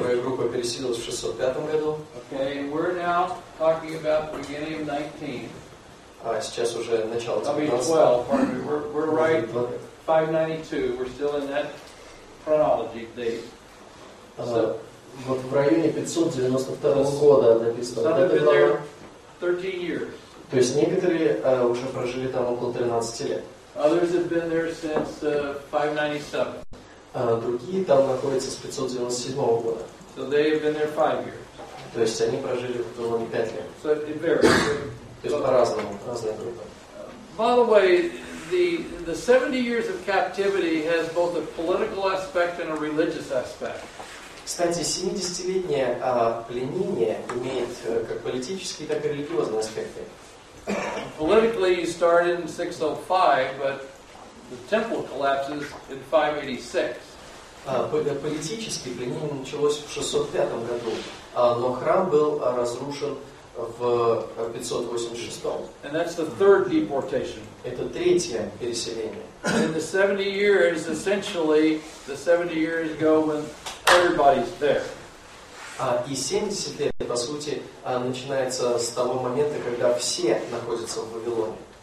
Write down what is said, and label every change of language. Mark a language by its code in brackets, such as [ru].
[ru] Первая группа переселилась в 605 году. [en] Okay, we're now talking about the beginning of 19. [ru] Сейчас уже начало [en] 12. We're right 592. We're still in that chronology date. [ru] Вот в районе 592 года написано. [en] Some have been there 13 years. [ru] То есть некоторые уже прожили там около 13 лет. [en] Others have been there since 597. [ru] Другие там находятся с 597 года. [en] So they have been there 5 years. [ru] То есть они прожили в Вавилоне 5 лет. [en] So it varies. [ru] То есть по-разному, разные группы. [en] By the way, the 70 years of captivity has both a political aspect and a religious aspect. [ru] Кстати, 70-летнее пленение имеет как политические, так и религиозные аспекты. [en] Politically, you start in 605, but the temple collapses in 586. [ru] Политически пленение началось в 605 году, но храм был разрушен в 586. [en] And that's the third deportation. [ru] Это третье переселение. [en] And the 70 years, essentially, the 70 years go when everybody's there. [ru] И 70 лет, по сути, начинается с того момента, когда все находятся в Вавилоне.